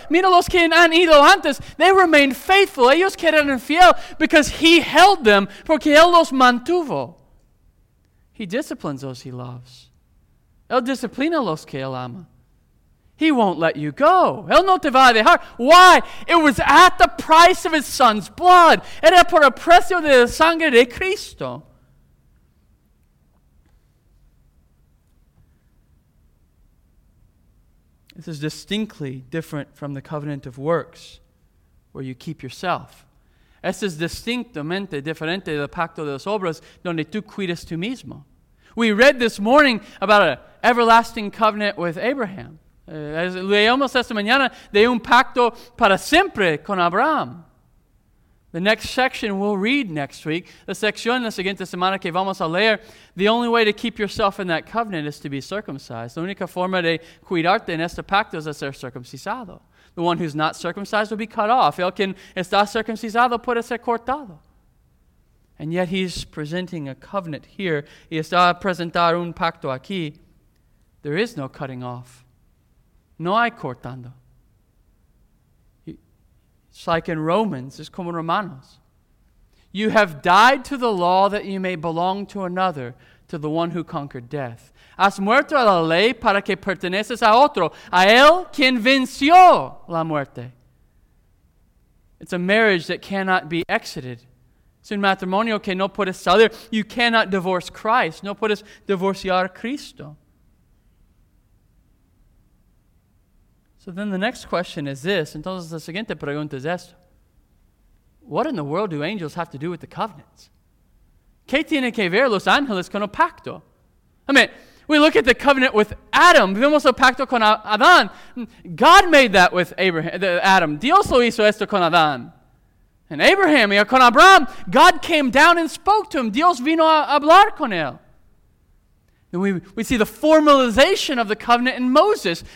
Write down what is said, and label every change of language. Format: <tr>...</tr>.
<es>Mira los que han ido antes.</es> <en>They remained faithful.</en> <es>Ellos quedaron fiel</es> <en>because he held them,</en> <es>porque él los mantuvo.</es> <en>He disciplines those he loves.</en> <es>Él disciplina los que él ama.</es> <en>He won't let you go.</en> <es>Él no te va a dejar.</es> <en>Why? It was at the price of his son's blood.</en> <es>Era por el precio de la sangre de Cristo.</es> <en>This is distinctly different from the covenant of works, where you keep yourself.</en> <es>Esto es distintamente diferente del pacto de las obras, donde tú cuidas tú mismo.</es> <en>We read this morning about an everlasting covenant with Abraham.</en> <es>Leemos esta mañana de un pacto para siempre con Abraham.</es> <en>The next section we'll read next week,</en> <es>la sección la siguiente semana que vamos a leer,</es> <en>the only way to keep yourself in that covenant is to be circumcised.</en> <es>La única forma de cuidarte en este pacto es ser circuncisado.</es> <en>The one who's not circumcised will be cut off.</en> <es>El que está circuncisado puede ser cortado.</es> <en>And yet he's presenting a covenant here.</en> <es>Y está a presentar un pacto aquí.</es> <en>There is no cutting off.</en> <es>No hay cortando.</es> <en>It's like in Romans, it's</en> <es>como Romanos.</es> <en>You have died to the law that you may belong to another, to the one who conquered death.</en> <es>Has muerto a la ley para que perteneces a otro, a él quien venció la muerte.</es> <en>It's a marriage that cannot be exited.</en> <es>Es un matrimonio que no puedes salir.</es> <en>You cannot divorce Christ.</en> <es>No puedes divorciar Cristo.</es> <en>So then the next question is this.</en> <es>Entonces la siguiente pregunta es esto.</es> <en>what in the world do angels have to do with the covenants?</en> <es>¿Qué tiene que ver los ángeles con el pacto?</es> <en>I mean, we look at the covenant with Adam.</en> <es>Vemos el pacto con Adán.</es> <en>God made that with Abraham, Adam.</en> <es>Dios lo hizo esto con Adán.</es> <en>And Abraham,</en> <es>y con Abraham,</es> <en>God came down and spoke to him.</en> <es>Dios vino a hablar con él.</es> <en>And we see the formalization of the covenant in Moses.</en>